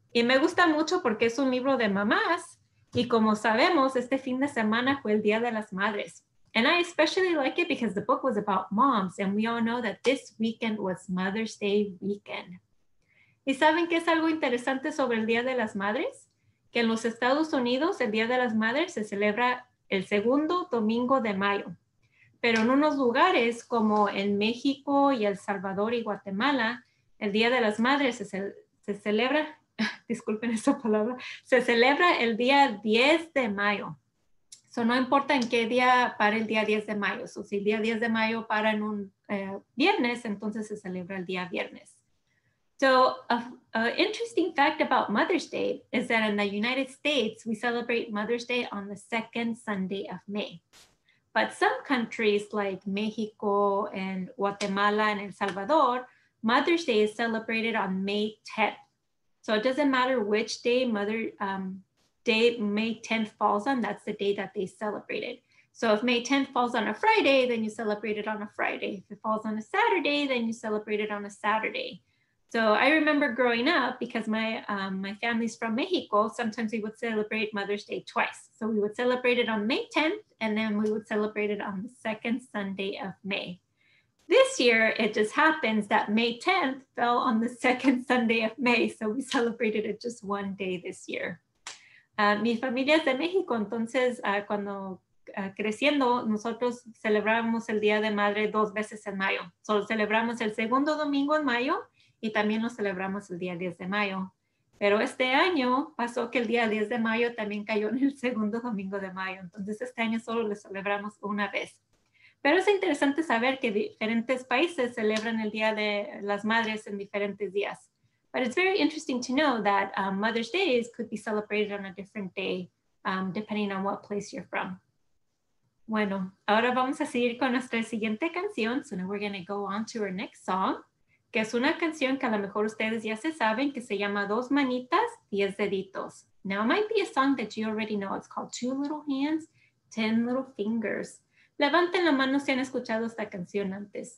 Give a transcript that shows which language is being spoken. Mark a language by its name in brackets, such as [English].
[Spanish] Y me gusta mucho porque es un libro de mamás. Y como sabemos, este fin de semana fue el Día de las Madres. [English] And I especially like it because the book was about moms. And we all know that this weekend was Mother's Day weekend. [Spanish] ¿Y saben qué es algo interesante sobre el Día de las Madres? Que en los Estados Unidos, el Día de las Madres se celebra el segundo domingo de mayo. Pero en unos lugares como en México y El Salvador y Guatemala, el Día de las Madres se celebra, disculpen esa palabra, se celebra el día 10 de mayo. So no importa en qué día para el día 10 de mayo. So si el día 10 de mayo para en un viernes, entonces se celebra el día viernes. [English] So an interesting fact about Mother's Day is that in the United States, we celebrate Mother's Day on the second Sunday of May. But some countries like Mexico and Guatemala and El Salvador, Mother's Day is celebrated on May 10th. So it doesn't matter which day May 10th falls on, that's the day that they celebrated. So if May 10th falls on a Friday, then you celebrate it on a Friday. If it falls on a Saturday, then you celebrate it on a Saturday. So I remember growing up, because my family's from Mexico, sometimes we would celebrate Mother's Day twice. So we would celebrate it on May 10th, and then we would celebrate it on the second Sunday of May. This year, it just happens that May 10th fell on the second Sunday of May, so we celebrated it just one day this year. [Spanish] Mi familia es de México, entonces cuando creciendo, nosotros celebrábamos el Día de Madre dos veces en mayo. So celebramos el segundo domingo en mayo, y también lo celebramos el día 10 de mayo. Pero este año pasó que el día 10 de mayo también cayó en el segundo domingo de mayo. Entonces este año solo lo celebramos una vez. Pero es interesante saber que diferentes países celebran el Día de las Madres en diferentes días. [English] But it's very interesting to know that Mother's Day could be celebrated on a different day, depending on what place you're from. [Spanish] Bueno, ahora vamos a seguir con nuestra siguiente canción. [English] So now we're going to go on to our next song. [Spanish] Que es una canción que a lo mejor ustedes ya se saben, que se llama Dos Manitas, Diez Deditos. [English] Now, it might be a song that you already know. It's called Two Little Hands, Ten Little Fingers. [Spanish] Levanten la mano si han escuchado esta canción antes.